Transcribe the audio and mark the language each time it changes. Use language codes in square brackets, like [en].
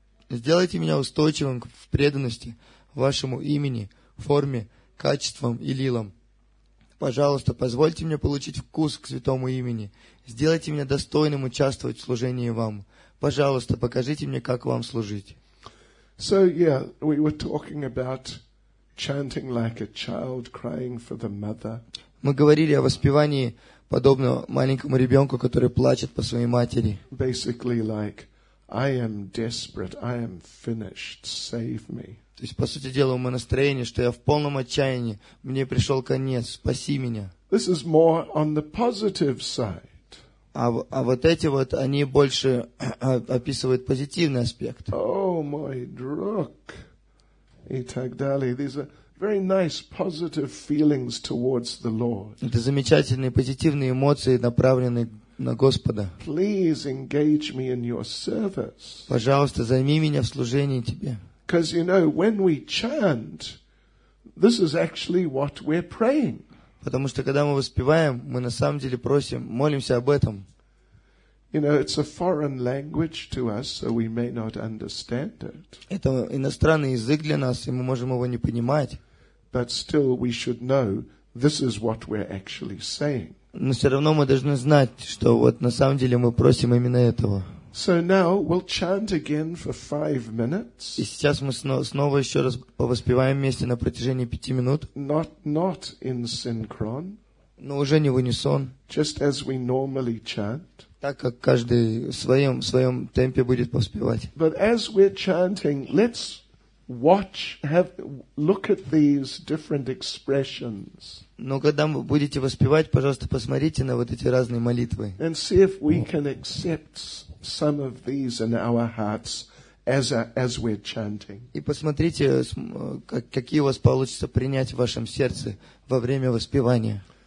[ru] Сделайте меня устойчивым в преданности вашему имени, форме, качествам и лилам. Пожалуйста, позвольте мне получить вкус к святому имени. Сделайте меня достойным участвовать в служении вам. Пожалуйста, покажите мне, как вам служить. [en] So, yeah, we were talking about chanting like a child crying for the mother. [ru] Мы говорили о воспевании подобно маленькому ребенку, который плачет по своей матери. [en] Basically like, I am desperate, I am finished, save me. [ru] То есть, по сути дела, у меня настроение, что я в полном отчаянии, мне пришел конец, спаси меня. [en] This is more on the positive side. [ru] А вот эти вот, они больше описывают позитивный аспект. [en] Oh, my [ru] друг. И так далее. [en] These are very nice positive feelings towards the Lord. [ru] Это замечательные позитивные эмоции, направленные на Господа. [en] Please engage me in your service. [ru] Пожалуйста, займи меня в служении тебе. [en] Because you know, when we chant, this is actually what we're praying. [ru] Потому что когда мы воспеваем, мы на самом деле просим, молимся об этом. [en] You know, it's a foreign language to us, so we may not understand it. [ru] Это иностранный язык для нас, и мы можем его не понимать. [en] But still, we should know this is what we're actually saying. [ru] Но все равно мы должны знать, что вот на самом деле мы просим именно этого. [en] So now we'll chant again for 5 minutes. [ru] И сейчас мы снова еще раз повоспеваем вместе на протяжении 5 минут. [en] Not in synchron. [ru] Но уже не в унисон. [en] Just as we normally chant. [ru] Так как каждый в своем темпе будет повоспевать. [en] But as we're chanting, let's watch, look at these different expressions. [ru] Но когда вы будете воспевать, пожалуйста, посмотрите на вот эти разные молитвы. [en] And see if we can accept some of these in our hearts as we're chanting. [ru] И посмотрите, какие у вас получится принять в вашем сердце во время воспевания.